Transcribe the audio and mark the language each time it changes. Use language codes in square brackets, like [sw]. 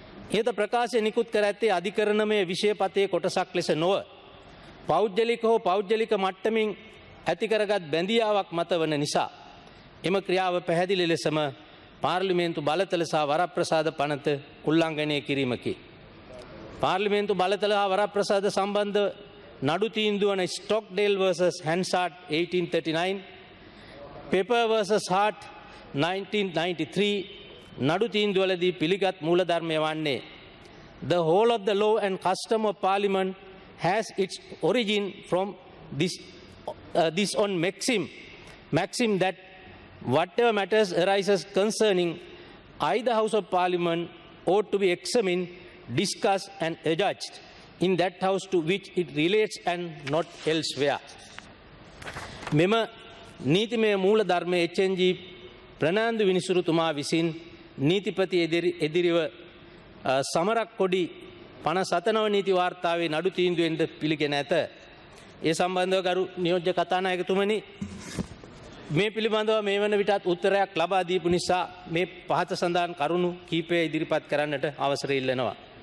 [si] ඉහත ප්‍රකාශය නිකුත් කර ඇත්තේ අධිකරණමය විෂයපතේ කොටසක් ලෙස නොව පෞද්ගලික හෝ පෞද්ගලික මට්ටමින් ඇතිකරගත් බැඳියාවක් මතවන නිසා එම ක්‍රියාව පැහැදිලි ලෙසම පාර්ලිමේන්තු බලතල සහ වරප්‍රසාද පනත උල්ලංඝනය කිරීමකි. පාර්ලිමේන්තු බලතල හා වරප්‍රසාද සම්බන්ධ නඩු තීන්දුවන ස්ටොක්ඩේල් vs හැන්සාට් 1839, පෙපර් vs හාට් 1993 නඩු තීන්දුවලදී පිළිගත් මූලධර්මය වන්නේ [en] The whole of the law and custom of parliament has its origin from this own maxim that whatever matters arises concerning either house of parliament ought to be examined, discussed and adjudged in that house to which it relates and not elsewhere. [si] මෙම නීතිමය මූලධර්ම HNG Fernando විනිසුරුතුමා විසින් නීතිපති එදිරිව සමරක්කොඩි 57 නීති වාර්තාවේ නඩු තීන්දුවෙන්ද පිළිගෙන ඇත. ඒ සම්බන්ධව ගරු නියෝජ්‍ය කතානායකතුමනි, මේ පිළිබඳව මේ වන විටත් උත්තරයක් ලබා දීපු නිසා මේ පහත සඳහන් කරුණු කීපය ඉදිරිපත් කරන්නට අවසරය ඉල්ලනවා.